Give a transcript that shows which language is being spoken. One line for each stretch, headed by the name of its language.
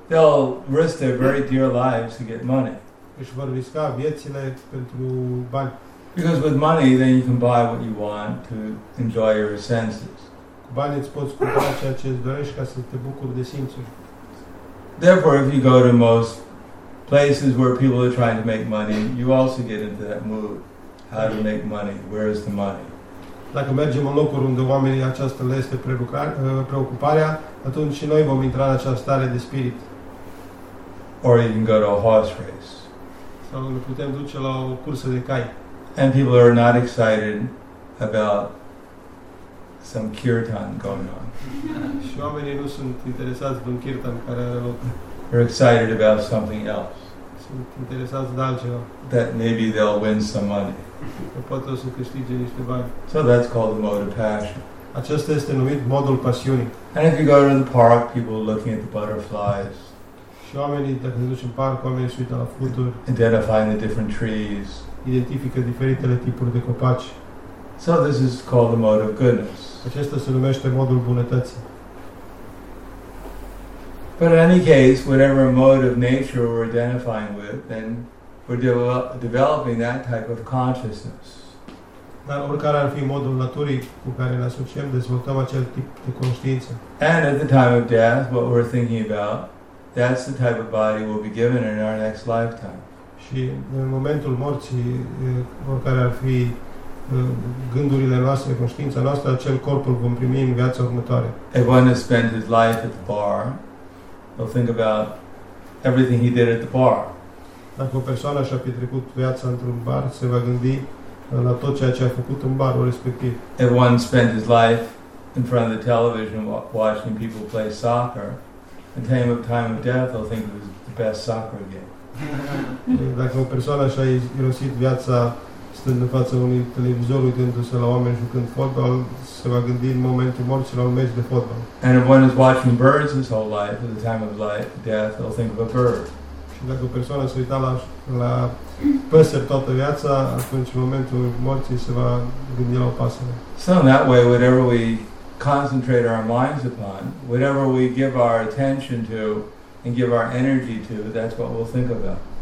English: they'll risk their very dear lives to get money.
Romanian: Își vor risca viețile pentru bani.
English: Because with money, then you can buy what you want to enjoy your senses.
Romanian: Cu banii îți poți cumpăra ceea ce îți dorești ca să te bucuri de simțuri.
English: Therefore, if you go to most places where people are trying to make money, you also get into that mood. How to make money? Where is the money?
Romanian: Dacă mergem în locuri unde oamenii aceasta le este preocuparea, atunci și noi vom intra în această stare de spirit.
English: Or you can go to a horse race.
Romanian: Sau ne putem duce la o cursă de cai.
English: And people are not excited about some kirtan going on.
Romanian: Și oamenii nu sunt interesați de un kirtan care are loc.
English: They're excited about something else.
Romanian: Sunt interesați de altceva.
English: That maybe they'll win some money.
Romanian: Poate o să câștige niște bani.
English: So that's called the mode of passion.
Romanian: Acesta este numit modul pasiunii.
English: And if you go to the park, people are looking at the butterflies.
Romanian: Și oamenii, dacă se duc în parc, oamenii se uită la fluturi.
English: Identifying the different trees.
Romanian: Identifică diferitele tipuri de copaci.
English: So this is called the mode of goodness.
Romanian: Acesta se numește modul bunătății.
English: But in any case, whatever mode of nature we're identifying with, then we're developing that type of consciousness.
Romanian: Dar oricare ar fi modul naturii cu care ne asociem, dezvoltăm acel tip de conștiință.
English: And at the time of death, what we're thinking about, that's the type of body we'll be given in our next lifetime.
Romanian: Și în momentul morții, oricare ar fi gândurile noastre, conștiința noastră, acel corp îl vom primi în viața următoare.
English: If one has spent his life at the bar, he'll think about everything he did at the bar.
Romanian: Dacă o persoană și-a petrecut viața într-un bar, se va gândi la tot ceea ce a făcut în barul respectiv.
English: If one spent his life in front of the television watching people play soccer, in time of death, he'll think it was the best soccer game.
Romanian: Dacă o persoană și-a irosit viața stând în fața unui televizor uitându-se la oameni jucând fotbal, se va gândi în momentul morții la un meci de fotbal.
English: And if one is watching birds his whole life, at the time of life, death, he'll think of a bird.
Romanian: Și dacă o persoană se uita la păsări toată viața, atunci în momentul morții se va gândi la o pasăre.
English: So in that way, whatever we concentrate our minds upon, whatever we give our attention to and give our energy to, that's what we'll think about.